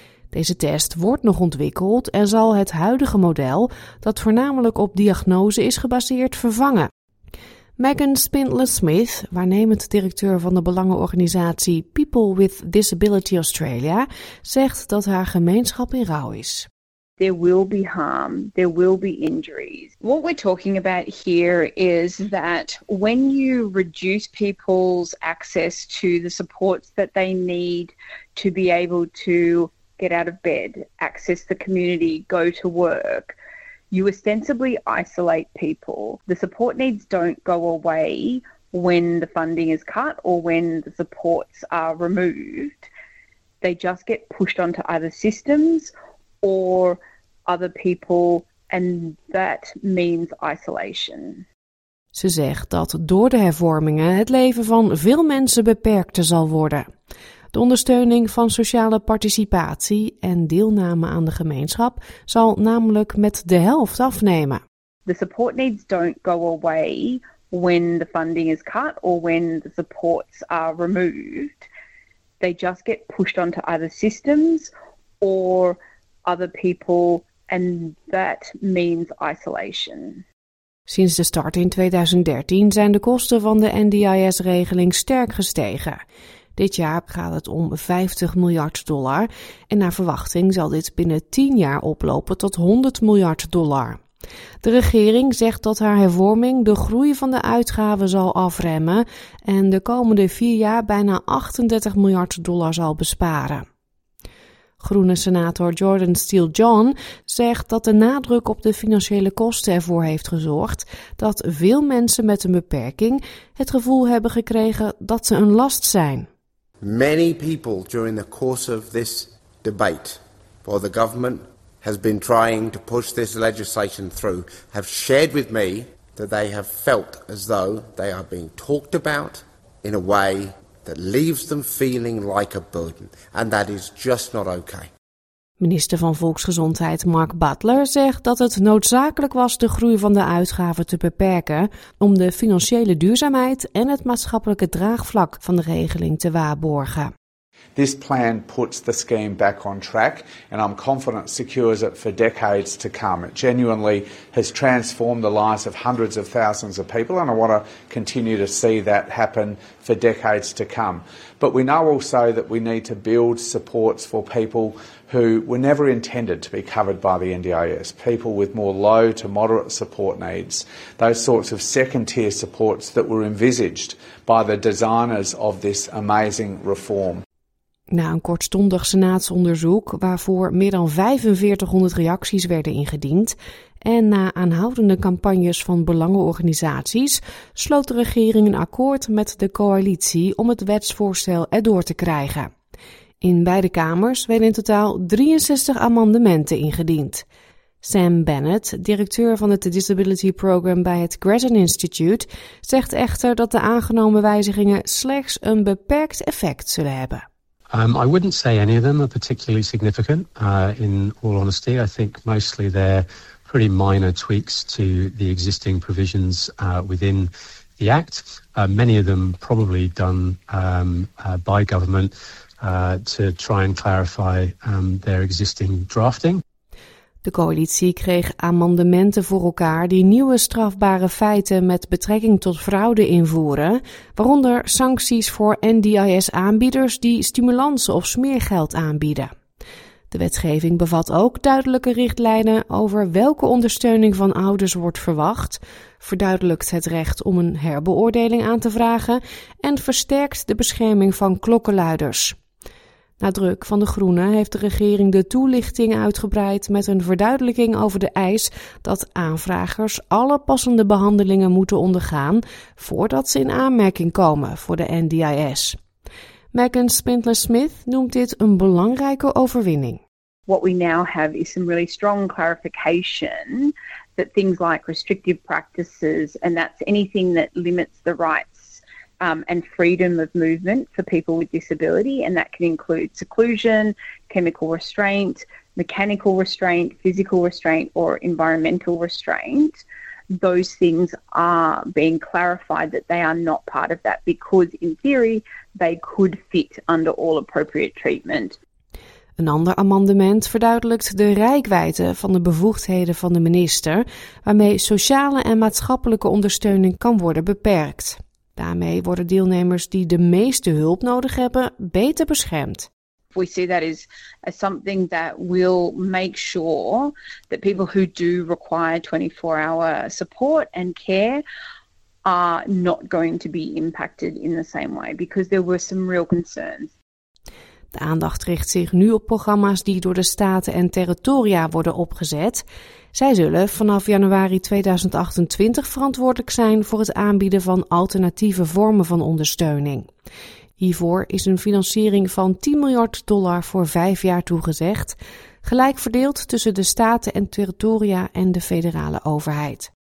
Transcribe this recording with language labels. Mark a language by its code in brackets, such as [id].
[nl] Deze test wordt nog ontwikkeld en zal het huidige model, dat voornamelijk op diagnose is gebaseerd, vervangen. Megan Spindler-Smith, waarnemend directeur van de belangenorganisatie People with Disability Australia, zegt dat haar gemeenschap in rouw is. [en] There will be harm, there will be injuries. What we're talking about here is that when you reduce people's access to the supports that they need to be able to get out of bed, access the community, go to work, you ostensibly isolate people. The support needs don't go away when the funding is cut or when the supports are removed. They just get pushed onto other systems or other people, and that means isolation. [nl] Ze zegt dat door de hervormingen het leven van veel mensen beperkter zal worden. De ondersteuning van sociale participatie en deelname aan de gemeenschap zal namelijk met de helft afnemen. [en] The support needs don't go away when the funding is cut or when the supports are removed. They just get pushed onto other systems or other people, and that means isolation. [nl] Sinds de start in 2013 zijn de kosten van de NDIS-regeling sterk gestegen. Dit jaar gaat het om $50 miljard en naar verwachting zal dit binnen 10 jaar oplopen tot $100 miljard. De regering zegt dat haar hervorming de groei van de uitgaven zal afremmen en de komende 4 jaar bijna $38 miljard zal besparen. Groene senator Jordan Steele John zegt dat de nadruk op de financiële kosten ervoor heeft gezorgd dat veel mensen met een beperking het gevoel hebben gekregen dat ze een last zijn. [en] Many people during the course of this debate for the government has been trying to push this legislation through have shared with me that they have felt as though they are being talked about in a way that leaves them feeling like a burden, and that is just not okay. [nl] Minister van Volksgezondheid Mark Butler zegt dat het noodzakelijk was de groei van de uitgaven te beperken om de financiële duurzaamheid en het maatschappelijke draagvlak van de regeling te waarborgen. [en] This plan puts the scheme back on track, and I'm confident secures it for decades to come. It genuinely has transformed the lives of hundreds of thousands of people, and I want to continue to see that happen for decades to come. But we know also that we need to build supports for people who were never intended to be covered by the NDIS, people with more low to moderate support needs, those sorts of second-tier supports that were envisaged by the designers of this amazing reform. [nl] Na een kortstondig senaatsonderzoek waarvoor meer dan 4500 reacties werden ingediend en na aanhoudende campagnes van belangenorganisaties sloot de regering een akkoord met de coalitie om het wetsvoorstel erdoor te krijgen. In beide kamers werden in totaal 63 amendementen ingediend. Sam Bennett, directeur van het Disability Program bij het Grattan Institute, zegt echter dat de aangenomen wijzigingen slechts een beperkt effect zullen hebben. [en] I wouldn't say any of them are particularly significant, in all honesty. I think mostly they're pretty minor tweaks to the existing provisions within the Act. Many of them probably done by government to try and clarify their existing drafting. [nl] De coalitie kreeg amendementen voor elkaar die nieuwe strafbare feiten met betrekking tot fraude invoeren, waaronder sancties voor NDIS-aanbieders die stimulansen of smeergeld aanbieden. De wetgeving bevat ook duidelijke richtlijnen over welke ondersteuning van ouders wordt verwacht, verduidelijkt het recht om een herbeoordeling aan te vragen en versterkt de bescherming van klokkenluiders. Na druk van de Groenen heeft de regering de toelichting uitgebreid met een verduidelijking over de eis dat aanvragers alle passende behandelingen moeten ondergaan voordat ze in aanmerking komen voor de NDIS. Megan Spindler-Smith noemt dit een belangrijke overwinning. [en] What we now have is some really strong clarification that things like restrictive practices, and that's anything that limits the rights and freedom of movement for people with disability, and that can include seclusion, chemical restraint, mechanical restraint, physical restraint, or environmental restraint. Those things are being clarified that they are not part of that, because in theory they could fit under all appropriate treatment. [nl] Een ander amendement verduidelijkt de reikwijdte van de bevoegdheden van de minister, waarmee sociale en maatschappelijke ondersteuning kan worden beperkt. Daarmee worden deelnemers die de meeste hulp nodig hebben beter beschermd. [en] We see that as something that will make sure that people who do require 24-hour support and care are not going to be impacted in the same way, because there were some real concerns. [nl] De aandacht richt zich nu op programma's die door de staten en territoria worden opgezet. Zij zullen vanaf januari 2028 verantwoordelijk zijn voor het aanbieden van alternatieve vormen van ondersteuning. Hiervoor is een financiering van $10 miljard voor 5 jaar toegezegd, gelijk verdeeld tussen de staten en territoria en de federale overheid.